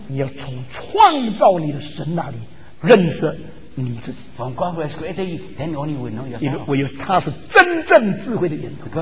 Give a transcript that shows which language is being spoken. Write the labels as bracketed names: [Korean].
[Chinese] 你要从创造你的神那里认识。你自己 [English] from God who has created you, then only will know yourself. [Chinese] 因为唯有他是真正智慧的源头